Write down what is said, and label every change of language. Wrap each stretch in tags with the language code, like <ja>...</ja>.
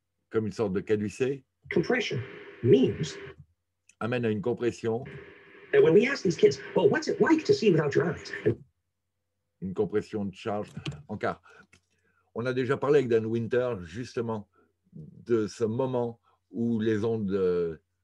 <fr>comme une sorte de caducée</fr> <en>compression means</en> <fr>amène à une compression.</fr> <en>And when we ask these kids, well, what's it like to see without your eyes?</en> <fr>Une compression de charge en quart. On a déjà parlé avec Dan Winter justement de ce moment où les ondes</fr>